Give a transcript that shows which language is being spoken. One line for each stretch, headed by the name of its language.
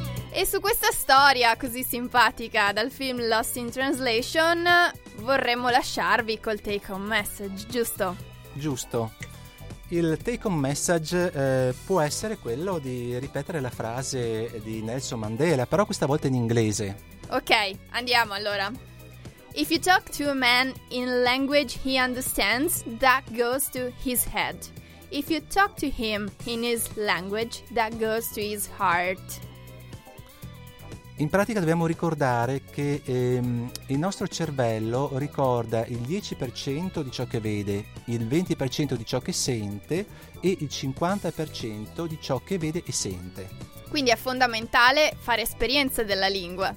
Italian: E su questa storia così simpatica dal film Lost in Translation vorremmo lasciarvi col take home message, giusto? Giusto. Il take home message può essere quello di ripetere la frase di Nelson Mandela, però questa volta in inglese. Ok, andiamo allora.
English: If you talk to a man in a language he understands, that goes to his head. If you talk to him in his language, that goes to his heart.
Italian: In pratica dobbiamo ricordare che il nostro cervello ricorda il 10% di ciò che vede, il 20% di ciò che sente e il 50% di ciò che vede e sente. Quindi è fondamentale fare esperienza della lingua.